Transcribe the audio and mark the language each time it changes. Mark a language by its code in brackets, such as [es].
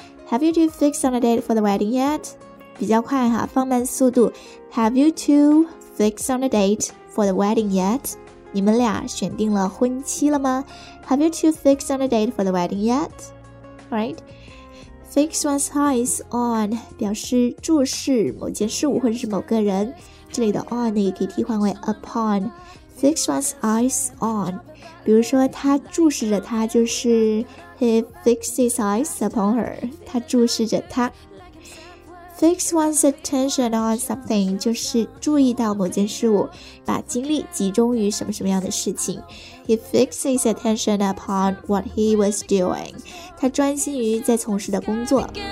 [en] Have you two fixed on a date for the wedding yet? [zh] 比较快哈，放慢速度。 [en] Have you two fixed on a date for the wedding yet? [zh] 你们俩选定了婚期了吗？ [en] Have you two fixed on a date for the wedding yet? Right? Fix one's eyes on [zh] 表示注视某件事物或者是某个人。这里的 on 呢也可以替换为 upon。 [en] fix one's eyes on. [zh] 比如说他注视着她，就是 [en] he fixes his eyes upon her. [zh] 他注视着她。 [en] Fix one's attention on something [zh] 就是注意到某件事物，把精力集中于什么什么样的事情。 [en] He fixed his attention upon what he was doing. [zh] 他专心于在从事的工作。